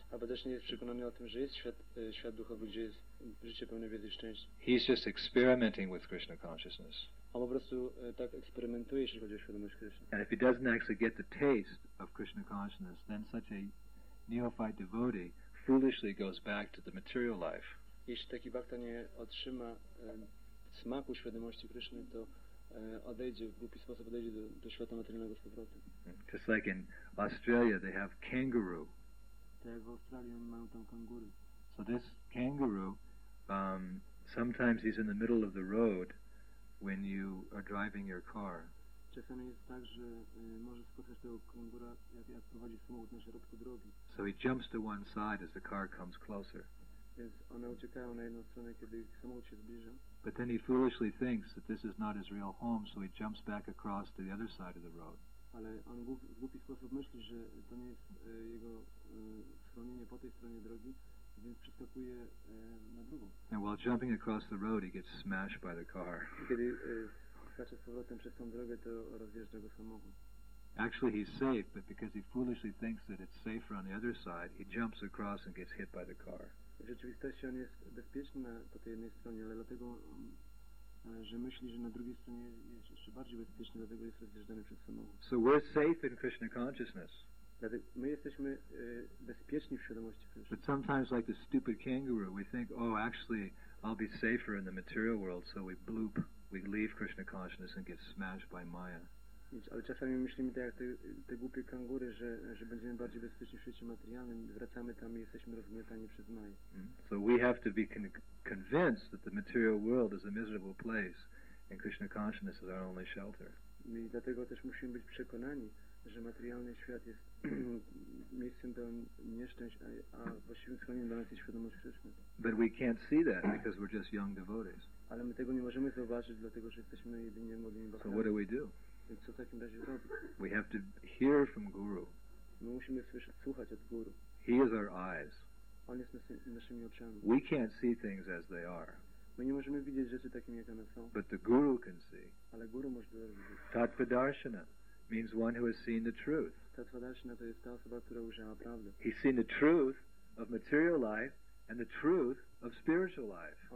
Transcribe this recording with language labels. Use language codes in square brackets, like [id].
[pl] Albo też nie jest przekonany o tym, że jest świat duchowy, gdzie jest życie pełne wiedzy i szczęścia. [en] He's just experimenting with Krishna consciousness. [pl] On po prostu tak eksperymentuje, jeśli chodzi o świadomość Krishna. [en] And if he doesn't actually get the taste of Krishna consciousness, then such a neophyte devotee foolishly goes back to the material life. [pl] Jeśli taki bhakta nie otrzyma smaku świadomości Kryszny, to odejdzie, w głupi sposób odejdzie do świata materialnego z powrotem. [en] Just like in Australia, they have kangaroo. [pl] Tak, w Australii mają tam kangury. [en] So this kangaroo, sometimes he's in the middle of the road when you are driving your car. [pl] Czasami jest tak, że może spotkać tego kangura, jak prowadzi samochód na środku drogi. [en] So he jumps to one side as the car comes closer. [pl] Więc one uciekają na jedną stronę, kiedy samochód się zbliża. [en] But then he foolishly thinks that this is not his real home, so he jumps back across to the other side of the road. [pl] Ale on w głupi sposób myśli, że to nie jest jego schronienie po tej stronie drogi, więc przeskakuje na drugą. [en] And while jumping across the road, he gets smashed by the car. [pl] Kiedy skacze z powrotem przez tą drogę, to rozjeżdża go samochód. [en] Actually, he's safe, but because he foolishly thinks that it's safer on the other side, he jumps across and gets hit by the car. [pl] W rzeczywistości on jest bezpieczny po tej jednej stronie, ale dlatego, że myśli, że na drugiej stronie jest jeszcze bardziej bezpieczny, dlatego jest rozjeżdżany przez samochód. [en] So we're safe in Krishna consciousness. [pl] Dlatego my jesteśmy bezpieczni w świadomości Krishna. [en] But sometimes, like the stupid kangaroo, we think, oh, actually, I'll be safer in the material world, so we bloop, we leave Krishna consciousness and get smashed by Maya. [pl] Ale czasami myślimy tak jak te głupie kangury, że będziemy bardziej bezpieczni w świecie materialnym, wracamy tam i jesteśmy rozgniatani przez Maję. [en] So we have to be convinced that the material world is a miserable place and Krishna consciousness is our only shelter. [pl] I dlatego też musimy być przekonani, że materialny świat jest miejscem pełnym nieszczęść, a właściwym schronieniem dla nas jest świadomość Krishna. [en] But we can't see that because we're just young devotees. [pl] Ale my tego nie możemy zauważyć, dlatego że jesteśmy jedynie młodymi bhaktami. [en] So what do we do? [pl] Co w takim razie robić? [en] We have to hear from Guru. [pl] My musimy słuchać od Guru. [en] He is our eyes. [pl] On jest naszymi oczami. [en] We can't see things as they are. [pl] My nie możemy widzieć rzeczy takimi, jak one są. [en] But the Guru can see. [pl] Ale Guru może to widzieć. [en] Tattvadarshana means one who has seen the truth. [pl] Tattvadarshana to jest ta osoba, która ujrzała prawdę. [en] He's seen the truth of material life and the truth of spiritual life.